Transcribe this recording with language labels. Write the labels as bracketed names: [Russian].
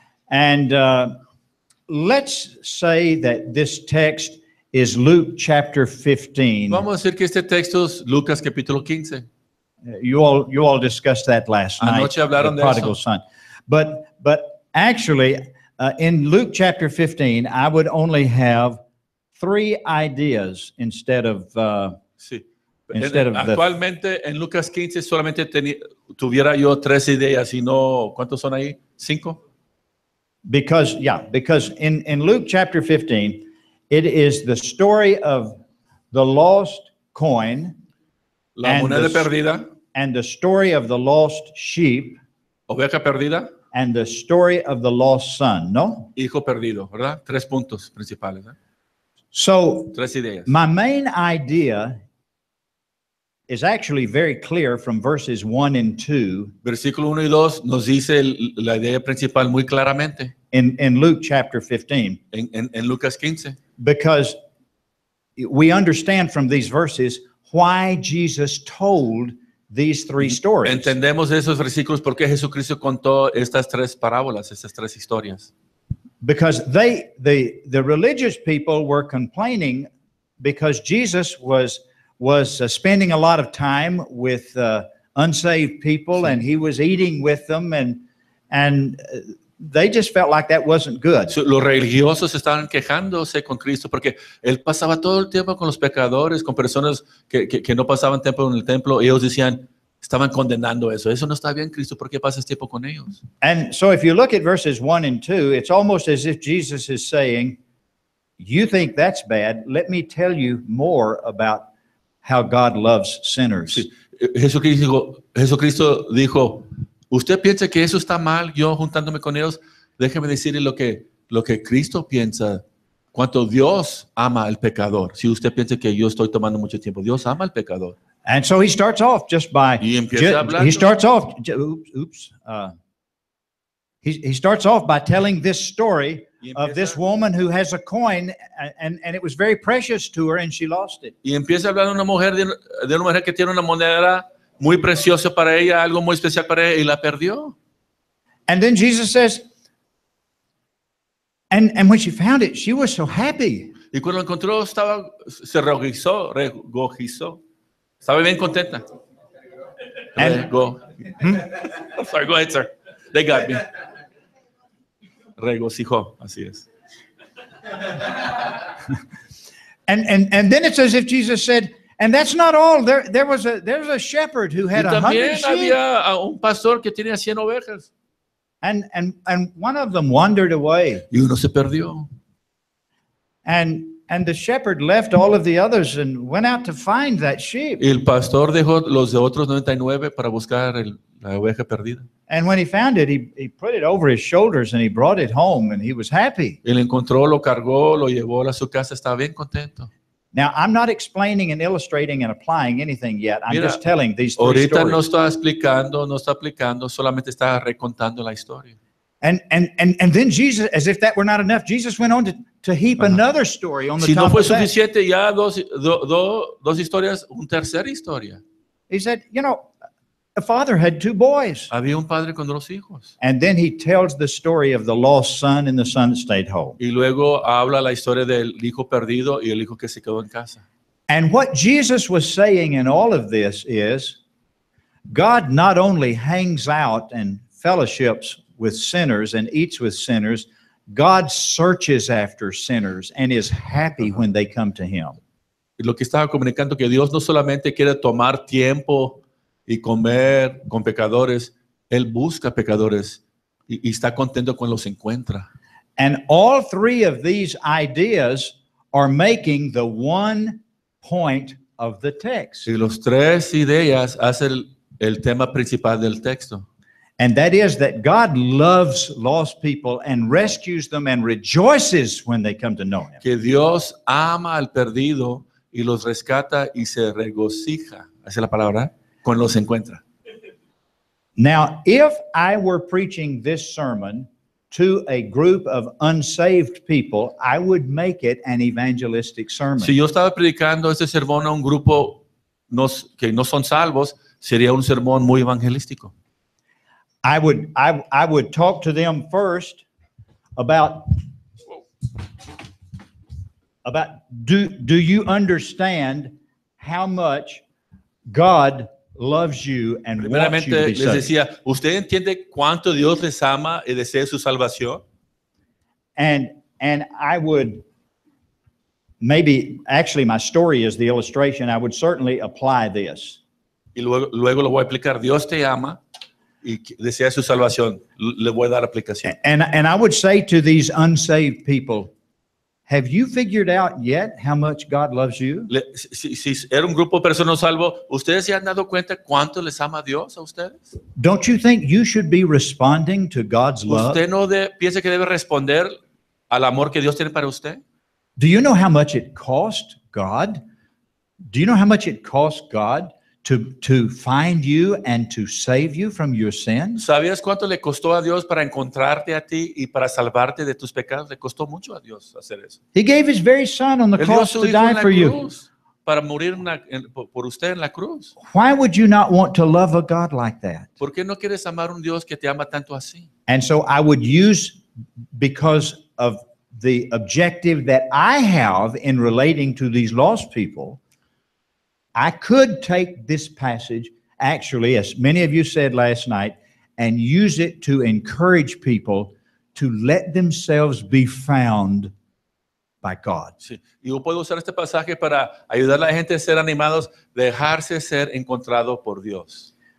[English] And let's say that this text is Luke chapter 15. [Spanish] Vamos a decir que este texto es Lucas capítulo 15. [English] You all discussed that last [Spanish] anoche [English] night. [Spanish] Hablaron [English] the prodigal [Spanish] de eso. [English] Son. But actually, in Luke chapter 15, I would only have three ideas instead of. [Spanish] Actualmente en Lucas 15 solamente tuviera yo tres ideas y no, ¿cuántos son ahí? ¿Cinco? [English] Because in Luke chapter 15, it is the story of the lost coin. [Spanish] La moneda perdida. [English] And the story of the lost sheep. [Spanish] Oveja perdida. [English] And the story of the lost son, [Spanish] ¿no? Hijo perdido, ¿verdad? Tres puntos principales, ¿eh? [English] So, [Spanish] tres ideas. [English] My main idea is actually very clear from verses 1 and 2. [Spanish] Versículo 1 y 2 nos dice la idea principal muy claramente. [English] In Luke chapter 15. [Spanish] En Lucas 15. [English] Because we understand from these verses why Jesus told these three stories. [Spanish] Entendemos esos versículos porque Jesucristo contó estas tres parábolas, estas tres historias. [English] Because the religious people were complaining because Jesus was spending a lot of time with unsaved people, sí, and he was eating with them, and they just felt like that wasn't good. [Spanish] So, los religiosos estaban quejándose con Cristo porque él pasaba todo el tiempo con los pecadores, con personas que no pasaban tiempo en el templo. Ellos decían, estaban condenando eso. Eso no está bien, Cristo. ¿Por qué pasas tiempo con ellos? [English] And so if you look at verses 1 and 2, it's almost as if Jesus is saying, you think that's bad, let me tell you more about how God loves sinners. [Spanish] Sí. Jesucristo dijo, usted piensa que eso está mal, yo juntándome con ellos, déjeme decirle lo que Cristo piensa, cuánto Dios ama al pecador. Si usted piensa que yo estoy tomando mucho tiempo, Dios ama al pecador. [English] And so he starts off just by, he starts off by telling this story of this woman who has a coin and it was very precious to her and she lost it. [Spanish] Y empieza a hablar de una mujer que tiene una moneda muy preciosa para ella, algo muy especial para ella, y la perdió. [English] And then Jesus says, and when she found it, she was so happy. [Spanish] Y cuando encontró, estaba, se regocijó. Estaba bien contenta. [English] And, Sorry, go ahead, sir. They got me. [Spanish] Regocijó, así es. [English] And then it's as if Jesus said, and that's not all. There was a shepherd who had 100 sheep. [Spanish] Y también había un pastor que tenía 100 ovejas. [English] And one of them wandered away. [Spanish] Y uno se perdió. [English] And the shepherd left all of the others and went out to find that sheep. [Spanish] El pastor dejó los de otros 99 para buscar la oveja perdida. [English] And when he found it, he put it over his shoulders and he brought it home and he was happy. [Spanish] Él encontró, lo cargó, lo llevó a su casa, estaba bien contento. [English] Now, I'm not explaining and illustrating and applying anything yet. I'm just telling these three [Spanish] ahorita [English] stories. [Spanish] Ahorita no está aplicando, solamente está recontando la historia. [English] And then Jesus, as if that were not enough, Jesus went on to heap another story on the [Spanish] si [English] top [Spanish] no fue [English] of that. [Spanish] Suficiente, ya dos historias, un tercer historia. [English] He said, you know, a father had two boys. [Spanish] Había un padre con dos hijos. [English] And then he tells the story of the lost son and the son that stayed home. [Spanish] Y luego habla la historia del hijo perdido y el hijo que se quedó en casa. [English] And what Jesus was saying in all of this is, God not only hangs out and fellowships with sinners and eats with sinners, God searches after sinners and is happy when they come to him. [Spanish] Lo que estaba comunicando que Dios no solamente quiere tomar tiempo y comer con pecadores, él busca pecadores y está contento cuando los encuentra. [English] And all three of these ideas are making the one point of the text. [Spanish] Y los tres ideas hacen el tema principal del texto. [English] And that is that God loves lost people and rescues them and rejoices when they come to know him. [Spanish] Que Dios ama al perdido y los rescata y se regocija. Esa es la palabra. Cuando los encuentra. [English] Now, if I were preaching this sermon to a group of unsaved people, I would make it an evangelistic sermon. [Spanish] Si yo estaba predicando este sermón a un grupo que no son salvos, sería un sermón muy evangelístico. [English] I would talk to them first about do you understand how much God loves you and wants you to be saved. [Spanish] Primeramente les decía, ¿usted entiende cuánto Dios les ama y desea su salvación? [English] And I would maybe actually my story is the illustration. I would certainly apply this. [Spanish] Y luego lo voy a aplicar. Dios te ama y desea su salvación, le voy a dar aplicación. [English] And I would say to these unsaved people, have you figured out yet how much God loves you? [Spanish] Si era un grupo de personas salvo, ¿ustedes se han dado cuenta cuánto les ama Dios a ustedes? [English] Don't you think you should be responding to God's love? [Spanish] ¿Usted no piensa que debe responder al amor que Dios tiene para usted? [English] Do you know how much it cost God? Do you know how much it cost God to find you and to save you from your sin? [Spanish] ¿Sabías cuánto le costó a Dios para encontrarte a ti y para salvarte de tus pecados? Le costó mucho a Dios hacer eso. [English] He gave his very son on the cross to die for you. [Spanish] Para morir por usted en la cruz. [English] Why would you not want to love a God like that? [Spanish] ¿Por qué no quieres amar un Dios que te ama tanto así? [English] And so I would use, because of the objective that I have in relating to these lost people, I could take this passage, actually, as many of you said last night, and use it to encourage people to let themselves be found by God. [Spanish] Sí. Yo puedo usar este pasaje para ayudar a la gente a ser animados, dejarse ser encontrado por Dios.